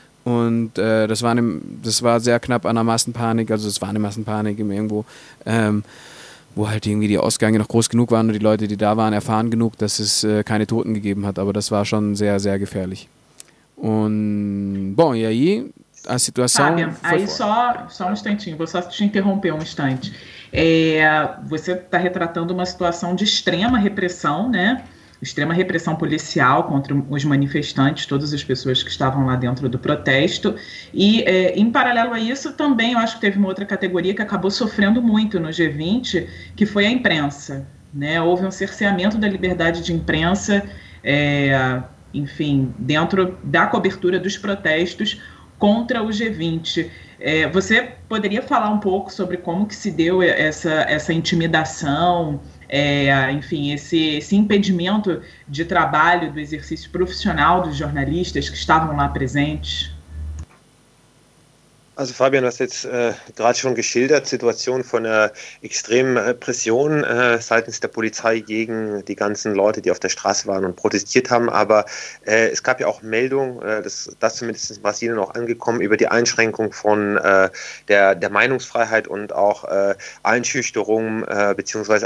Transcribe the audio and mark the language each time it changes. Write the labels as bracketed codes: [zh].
[de] Und das war sehr knapp an der Massenpanik, also es war eine Massenpanik irgendwo, wo halt irgendwie die Ausgänge noch groß genug waren und die Leute, die da waren, erfahren genug, dass es keine Toten gegeben hat, aber das war schon sehr, sehr gefährlich. [pt] Und bom, e aí a situação foi só um instantinho, vou só te interromper um instante. Você está retratando uma situação de extrema repressão, né? Extrema repressão policial contra os manifestantes, todas as pessoas que estavam lá dentro do protesto. E, em paralelo a isso, também eu acho que teve uma outra categoria que acabou sofrendo muito no G20, que foi a imprensa, né? Houve um cerceamento da liberdade de imprensa, enfim, dentro da cobertura dos protestos contra o G20. Você poderia falar um pouco sobre como que se deu essa intimidação, enfim, esse impedimento de trabalho, do exercício profissional dos jornalistas que estavam lá presentes? [de] Also Fabian, du hast jetzt gerade schon geschildert, Situation von einer extremen Repression seitens der Polizei gegen die ganzen Leute, die auf der Straße waren und protestiert haben. Aber es gab ja auch Meldungen, das zumindest in Brasilien auch angekommen, über die Einschränkung von der Meinungsfreiheit und auch Einschüchterungen bzw.